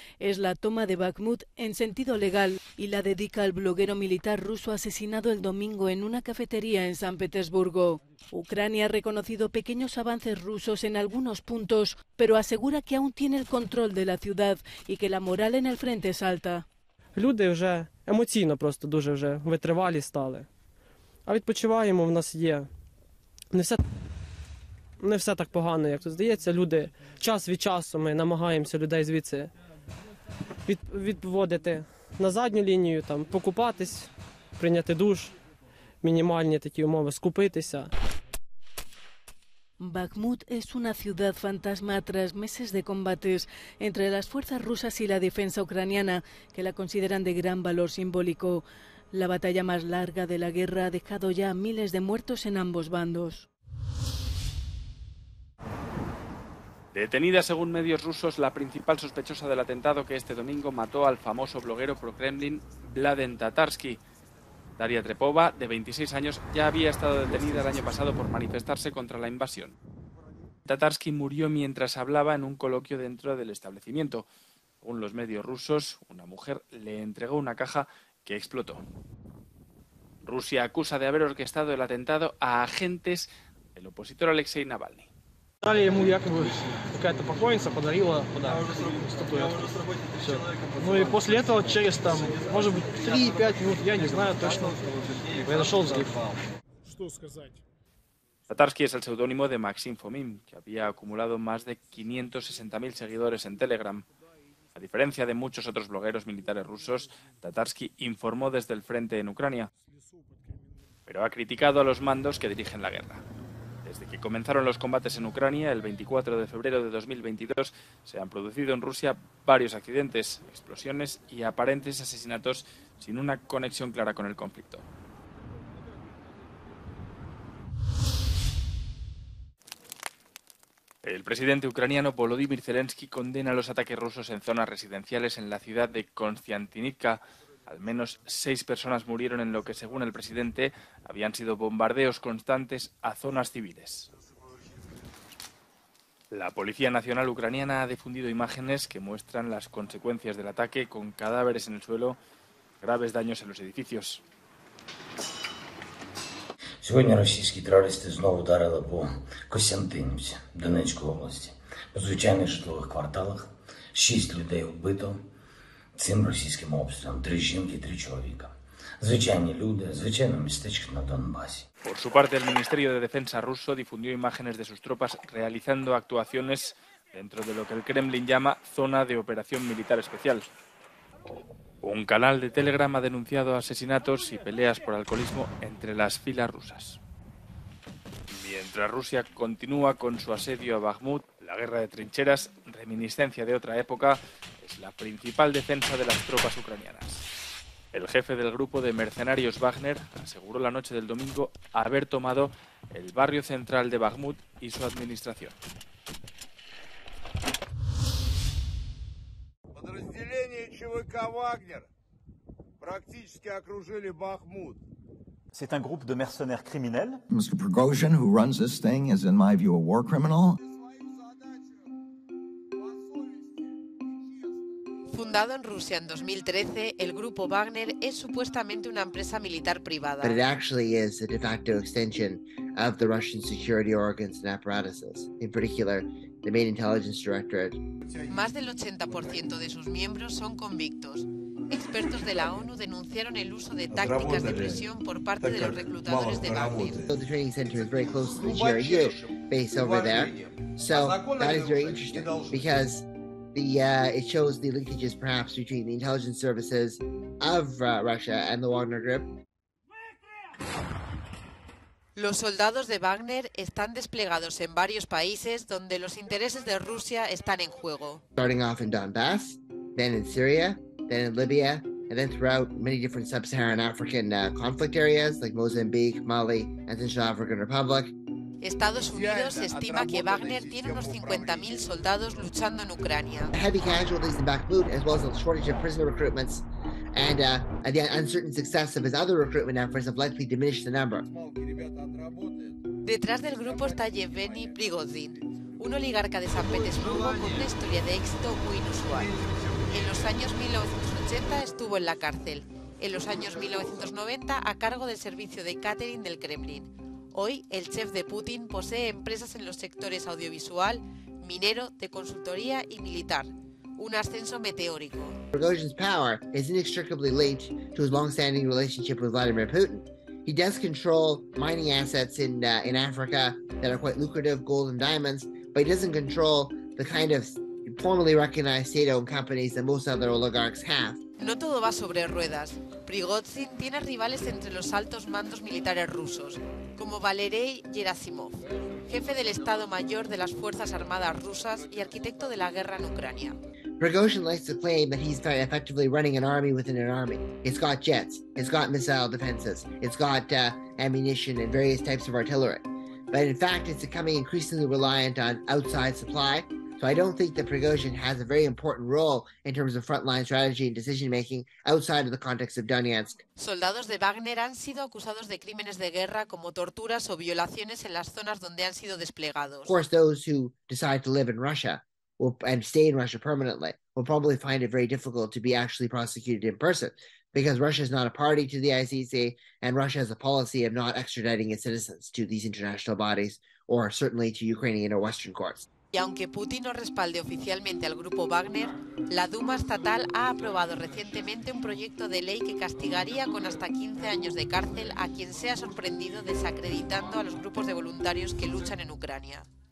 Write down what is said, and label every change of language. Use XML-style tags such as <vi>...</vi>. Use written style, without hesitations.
<es>Es la toma de Bakhmut en sentido legal y la dedica al bloguero militar ruso asesinado el domingo en una cafetería en San Petersburgo. Ucrania ha reconocido pequeños avances rusos en algunos puntos, pero asegura que aún tiene el control de la ciudad y que la moral en el frente es alta.</es> <uk>Люди вже емоційно просто дуже вже витривалі стали. А відпочиваємо в нас є. Не все так погано, як тут здається. Люди час від часу ми намагаємося людей звідси відводити на задню лінію, там покупатись, прийняти душ, мінімальні такі умови, скупитися.</uk> <es>Bakhmut es una ciudad fantasma tras meses de combates entre las fuerzas rusas y la defensa ucraniana, que la consideran de gran valor simbólico. La batalla más larga de la guerra ha dejado ya miles de muertos en ambos bandos. Detenida, según medios rusos, la principal sospechosa del atentado que este domingo mató al famoso bloguero pro-Kremlin Vlad Lentatarsky. Daria Trepova, de 26 años, ya había estado detenida el año pasado por manifestarse contra la invasión. Tatarsky murió mientras hablaba en un coloquio dentro del establecimiento. Según los medios rusos, una mujer le entregó una caja que explotó. Rusia acusa de haber orquestado el atentado a agentes del opositor Alexei Navalny.</es> <ru>Дали йому якобы какая-то покойница подарила подарок, статуэтку. Все. Ну и после этого через там, может быть, 3-5 минут, я не знаю точно, произошел взрыв. Что сказать?</ru> <es>Tatarsky es el seudónimo de Максим Фомин, que había acumulado más de 560.000 seguidores en Telegram. A diferencia de muchos otros blogueros militares rusos, Tatarsky informó desde el frente en Ucrania, pero ha criticado a los mandos que dirigen la guerra. Desde que comenzaron los combates en Ucrania, el 24 de febrero de 2022, se han producido en Rusia varios accidentes, explosiones y aparentes asesinatos sin una conexión clara con el conflicto. El presidente ucraniano Volodymyr Zelensky condena los ataques rusos en zonas residenciales en la ciudad de Konstantinivka. Al menos 6 personas murieron en lo que, según el presidente, habían sido bombardeos constantes a zonas civiles. La Policía Nacional Ucraniana ha difundido imágenes que muestran las consecuencias del ataque, con cadáveres en el suelo, graves daños en los edificios.</es> <uk>Сьогодні російські терористи знову вдарили по Косянтинівці Донецької області. По звичайних житлових кварталах 6 людей вбито цим російським обстрілом. 3 жінки, 3 чоловіка. Звичайні люди, звичайні містечки на Донбасі.</uk> <es>Por su parte, el Ministerio de Defensa ruso difundió imágenes de sus tropas realizando actuaciones dentro de lo que el Kremlin llama zona de operación militar especial. Un canal de Telegram ha denunciado asesinatos y peleas por alcoholismo entre las filas rusas. Mientras Rusia continúa con su asedio a Bakhmut, la guerra de trincheras, reminiscencia de otra época, es la principal defensa de las tropas ucranianas. El jefe del grupo de mercenarios Wagner aseguró la noche del domingo haber tomado el barrio central de Bakhmut y su administración.</es> <ru>Подразделение ЧВК Вагнер практически окружили Бахмут.</ru> <fr>C'est un groupe de mercenaires criminels.</fr> <en>Mr. Prigozhin, who runs this thing, is in my view a war criminal.</en> <es>Fundado en Rusia en 2013, el grupo Wagner es supuestamente una empresa militar privada.</es> <en>But it actually is a de facto extension of the Russian security organs and apparatuses, in particular the main intelligence directorate.</en> <es>Más del 80% de sus miembros son convictos. Expertos de la ONU denunciaron el uso de tácticas de presión por parte de los reclutadores de Wagner.</es> <en>So the training center is very close to the GRU base over there. So that is very interesting because it shows the linkages perhaps between the intelligence services of Russia and the Wagner group.</en> <es>Los soldados de Wagner están desplegados en varios países donde los intereses de Rusia están en juego.</es> <en>Starting off in Donbass, then in Syria, then in Libya, and then throughout many different sub-Saharan African conflict areas like Mozambique, Mali, and the Central African Republic.</en> <es>Estados Unidos estima que Wagner tiene unos 50.000 soldados luchando en Ucrania.</es> <en>Heavy casualties in Bakhmut, as well as a shortage of prisoner recruitments, and the uncertain success of his other recruitment efforts have likely diminished the number.</en> <es>Detrás del grupo está Yevgeny Prigozhin, un oligarca de San Petersburgo con una historia de éxito muy inusual. En los años 1980 estuvo en la cárcel, en los años 1990 a cargo del servicio de catering del Kremlin. Hoy, el chef de Putin posee empresas en los sectores audiovisual, minero, de consultoría y militar. Un ascenso meteórico.</es> <en>Prigozhin's power is inextricably linked to his long-standing relationship with Vladimir Putin. He does control mining assets in Africa that are quite lucrative, gold and diamonds, but he doesn't control the kind of formally recognized state-owned companies that most other oligarchs have.</en> <es>No todo va sobre ruedas. Prigozhin tiene rivales entre los altos mandos militares rusos, como Valery Gerasimov, jefe del Estado Mayor de las Fuerzas Armadas Rusas y arquitecto de la guerra en Ucrania.</es> <en>Prigozhin likes to claim that he's effectively running an army within an army. It's got jets, it's got missile defenses, it's got ammunition and various types of artillery. But in fact, it's becoming increasingly reliant on outside supply. So I don't think that Prigozhin has a very important role in terms of frontline strategy and decision making outside of the context of Donetsk.</en> <es>Soldados de Wagner han sido acusados de crímenes de guerra como torturas o violaciones en las zonas donde han sido desplegados.</es> <en>Of course, those who decide to live in Russia and stay in Russia permanently will probably find it very difficult to be actually prosecuted in person because Russia is not a party to the ICC and Russia has a policy of not extraditing its citizens to these international bodies or certainly to Ukrainian or Western courts.</en> <es>Y aunque Putin no respalde oficialmente al grupo Wagner, la Duma estatal ha aprobado recientemente un proyecto de ley que castigaría con hasta 15 años de cárcel a quien sea sorprendido desacreditando a los grupos de voluntarios que luchan en Ucrania.</es>